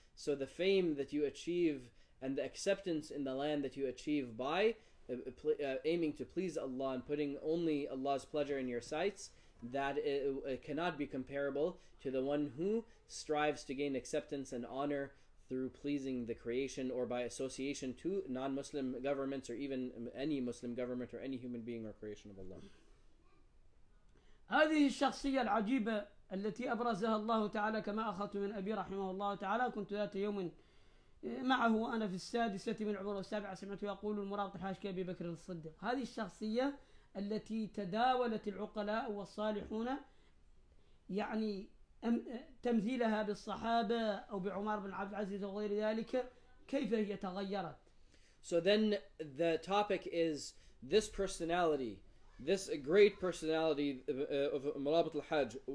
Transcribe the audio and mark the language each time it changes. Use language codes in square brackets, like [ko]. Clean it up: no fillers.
[en] So the fame that you achieve and the acceptance in the land that you achieve by aiming to please Allah and putting only Allah's pleasure in your sights, that it cannot be comparable to the one who strives to gain acceptance and honor through pleasing the creation or by association to non-Muslim governments or even any Muslim government or any human being or creation of Allah. [ar] هذه الشخصية العجيبة التي أبرزها الله تعالى كما أخذت من أبي رحمه الله تعالى كنت ذات يوم معه وأنا في السادسة من عمره السابعة سمعت يقول المراد الحاج كأبي بكر الصديق. هذه الشخصية التي تداولت العقلاء والصالحون يعني تمثيلها بالصحابة أو بعمر بن عبد العزيز وغير ذلك كيف هي تغيرت. [en] So then the topic is this personality, this great personality of Murabit al-Hajj.